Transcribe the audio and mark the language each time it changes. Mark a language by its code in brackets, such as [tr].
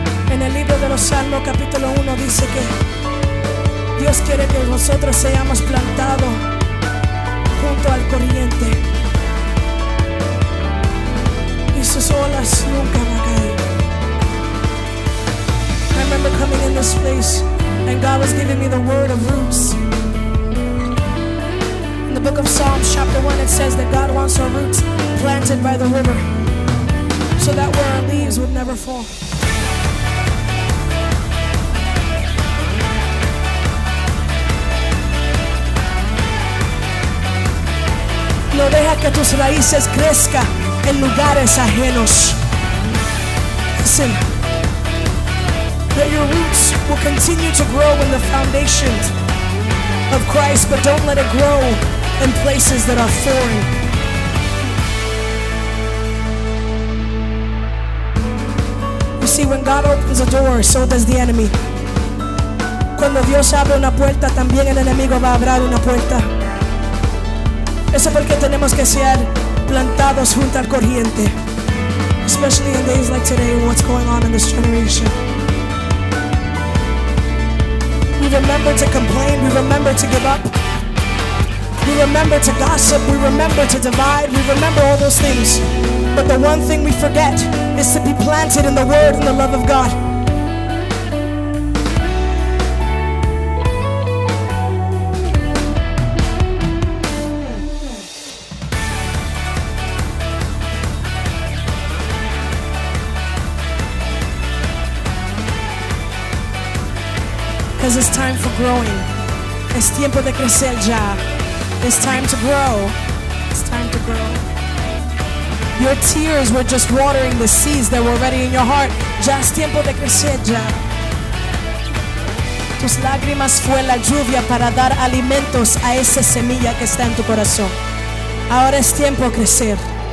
[es] En el libro de los Salmos, capítulo 1, dice que Dios quiere que nosotros seamos plantados junto al corriente y sus olas nunca van a caer. [en] I remember coming in this place and God was giving me the word of roots. In the book of Psalms, chapter 1, it says that God wants our roots planted by the river so that where our leaves would never fall. [es] No deja que tus raíces crezca en lugares ajenos. [en] Listen. That your roots will continue to grow in the foundations of Christ, but don't let it grow in places that are foreign. You see, when God opens a door, so does the enemy. [es] Cuando Dios abre una puerta, también el enemigo va a abrir una puerta. Eso es porque tenemos que ser plantados junto al corriente. [en] Especially in days like today, what's going on in this generation. We remember to complain, we remember to give up, we remember to gossip, we remember to divide, we remember all those things. But the one thing we forget is to be planted in the Word and the love of God. It's time for growing. [es] Es tiempo de crecer ya. [en] It's time to grow. It's time to grow. Your tears were just watering the seeds that were already in your heart. [es] Ya es tiempo de crecer ya. Tus lágrimas fue la lluvia para dar alimentos a esa semilla que está en tu corazón. Ahora es tiempo de crecer.